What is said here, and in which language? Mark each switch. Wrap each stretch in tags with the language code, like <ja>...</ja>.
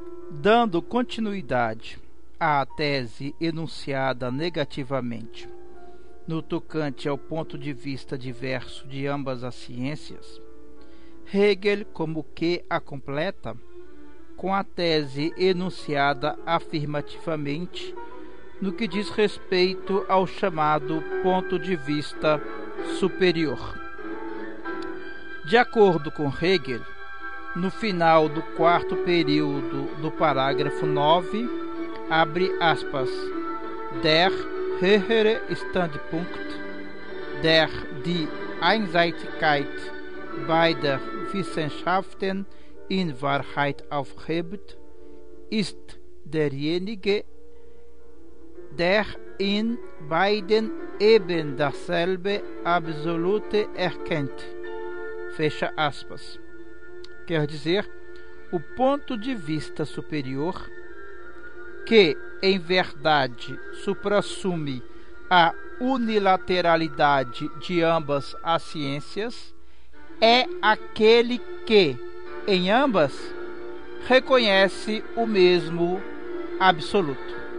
<pt>dando continuidade à tese enunciada negativamente no tocante ao ponto de vista diverso de ambas as ciências, Hegel como que a completa com a tese enunciada afirmativamente no que diz respeito ao chamado ponto de vista superior. De acordo com Hegel, no final do quarto período do parágrafo 9, abre aspas,</pt> <de>der höhere Standpunkt, der die Einseitigkeit beider Wissenschaften in Wahrheit aufhebt, ist derjenige, der in beiden eben dasselbe absolute erkennt.</de> <pt>Fecha aspas. Quer dizer, o ponto de vista superior, que em verdade suprassume a unilateralidade de ambas as ciências, é aquele que, em ambas, reconhece o mesmo absoluto.</pt>